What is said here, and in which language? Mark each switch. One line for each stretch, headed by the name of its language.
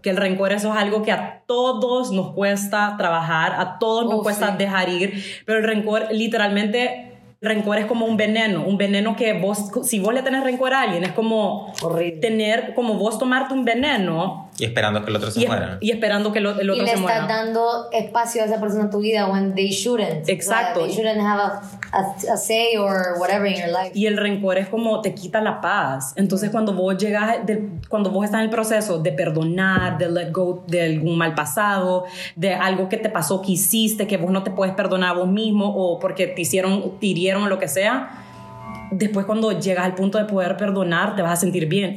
Spanish: Que el rencor, eso es algo que a todos nos cuesta trabajar, a todos nos cuesta, sí, dejar ir. Pero el rencor, literalmente, el rencor es como un veneno que vos, si vos le tenés rencor a alguien, es como horrible. Tener, como vos tomarte un veneno. Y esperando que el otro se muera. Y esperando que el otro se muera. Y le estás dando espacio a esa persona en tu vida
English: when they shouldn't.
Spanish: Exacto.
English: Like, they shouldn't have a say or whatever in your life.
Spanish: Y el rencor es como te quita la paz. Entonces, cuando vos llegas, cuando vos estás en el proceso de perdonar, de
English: let go
Spanish: de algún mal pasado, de algo que te pasó, que hiciste, que vos no te puedes perdonar a vos mismo o porque te hicieron, te hirieron o lo que sea, después cuando llegas al punto de poder perdonar, te vas a sentir bien.